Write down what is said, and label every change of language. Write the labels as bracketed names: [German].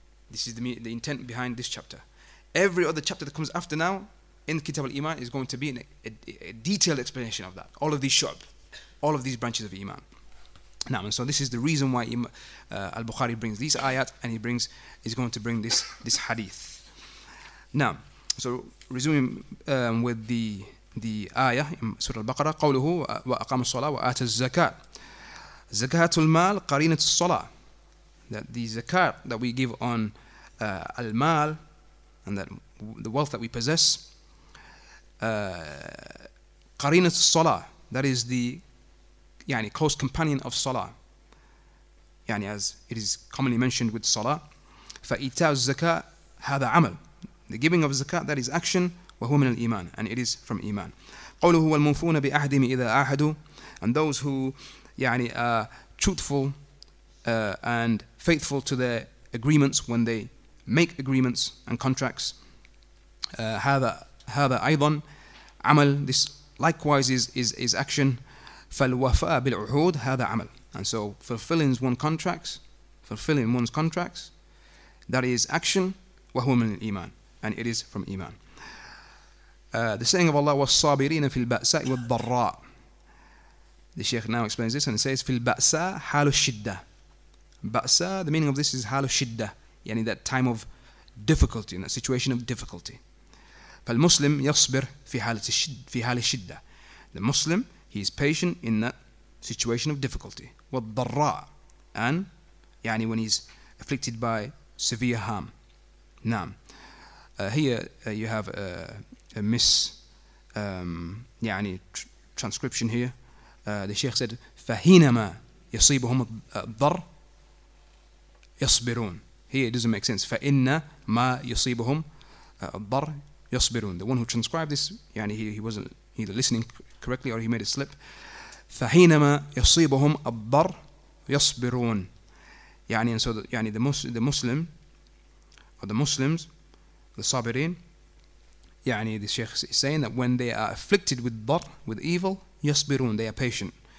[English] This is the intent behind this chapter. Every other chapter that comes after now in Kitab al-Iman is going to be a detailed explanation of that. All of these shu'b, all of these branches of Iman. Now, and so this is the reason why al-Bukhari brings these ayat, and he brings, is going to bring this hadith. Now, so resuming with the ayah in Surah Al-Baqarah, [Arabic] قوله وأقام الصلاة وآت الزكاة زكاة المال قرينة الصلاة. [English] That the zakat that we give on al-mal, and that the wealth that we possess, [Arabic] قرينة الصلاة, [English] that is the يعني close companion of salah, يعني as it is commonly mentioned with salah. [Arabic] فإيتاء الزكاة هذا عمل. [English] The giving of zakat, that is action, [Arabic] وهو من الإيمان, [English] and it is from إيمان. [Arabic] قوله والموفون بأهدهم إذا أهدوا, [English] and those who يعني are truthful and faithful to their agreements when they make agreements and contracts. [Arabic] هذا أيضا عمل. [English] This likewise is action. [Arabic] فالوفاء بالعهود هذا عمل. [English] And so fulfilling one's contracts, that is action, [Arabic] وهو من الإيمان, [English] and it is from Iman. The saying of Allah, [Arabic] وَالصَّابِرِينَ فِي الْبَأْسَاءِ وَالضَّرَّاءِ. [English] The Shaykh now explains this, and it says, [Arabic] فِي الْبَأْسَاءِ حَالُ الشِّدَّةِ. [English] بَأْسَاء, the meaning of this is [Arabic] حَالُ الشِّدَّةِ, [English] yani that time of difficulty, in that situation of difficulty. [Arabic] فَالْمُسْلِمْ يَصْبِرْ فِي حَالِ الشِّدَّةِ. [English] The Muslim, he is patient in that situation of difficulty. وَالضَّرَّاءِ, and yani when he's afflicted by severe harm. [Arabic] نعم. [English] Here you have a mis يعني transcription here. The Sheikh said [Arabic] فهينما يصيبهم الضر يصبرون. [English] Here it doesn't make sense. [Arabic] فإنما يصيبهم الضر يصبرون. [English] The one who transcribed this, يعني he wasn't either listening correctly or he made a slip. [Arabic] فهينما يصيبهم الضر يصبرون. [English] يعني and so the, يعني the Muslims. The Sabirin, يعني the Shaykh is saying that when they are afflicted with dar, with evil, يصبرون, they are patient.